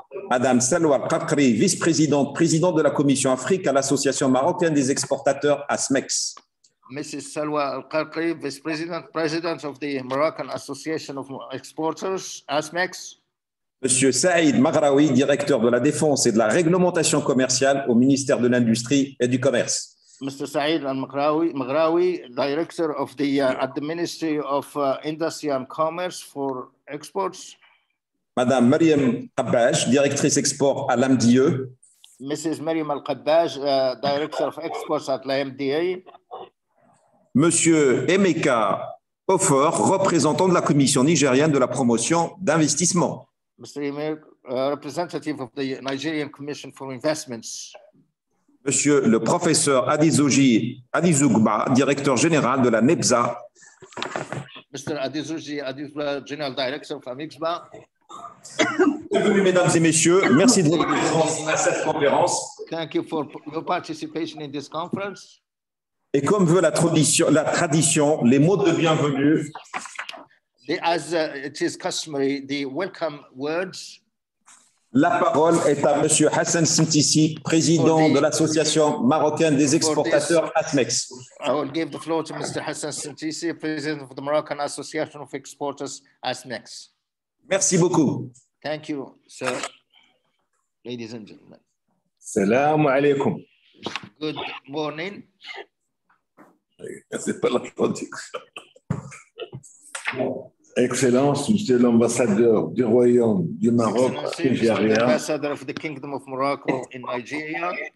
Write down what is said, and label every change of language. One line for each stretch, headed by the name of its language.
French: Madame Salwar Qaqri, vice-présidente, président de la Commission Afrique à l'Association marocaine des exportateurs, ASMEX.
English: Mrs. Salwa Al-Qaqri, vice-president, president of the Moroccan Association of Exporters, ASMEX.
French: Monsieur Saïd Maghraoui, directeur de la défense et de la réglementation commerciale au ministère de l'Industrie et du Commerce.
English: Mr. Saïd Maghraoui, director of the at the Ministry of Industry and Commerce for Exports.
French: Madame Mariam Qabbaj, directrice export à l'AMDIE.
English: Mrs. Mariam Al-Qabbaj, director of exports at l'AMDIE.
French: Monsieur Emeka Ofor, représentant de la Commission nigérienne de la promotion d'investissement.
English: Mr. Emir, representative of the Nigerian Commission for Investments.
French: Monsieur le professeur Adizoji Adizugba, directeur général de la NEPSA.
English: Mr. Adizoji Adizugba, general director of AMIXBA.
French: Bienvenue, mesdames et messieurs. Merci de votre présence à cette conférence.
English: Thank you for your participation in this conference.
French: Et comme veut la tradition, les mots de bienvenue.
English: As it is customary, the welcome words.
French: La parole est à Monsieur Hassan Sentissi, président de l'Association marocaine des exportateurs, ASMEX.
English: I will give the floor to Mr. Hassan Sentissi, president of the Moroccan Association of Exporters, ASMEX.
French: Merci beaucoup.
English: Thank you, sir. Ladies and gentlemen.
Arabic: Salam alaikum.
English: Good morning.
French: C'est pas la traduction. Excellence, Monsieur l'ambassadeur du Royaume du Maroc au Nigeria.
English: Ambassador of the Kingdom of Morocco in Nigeria.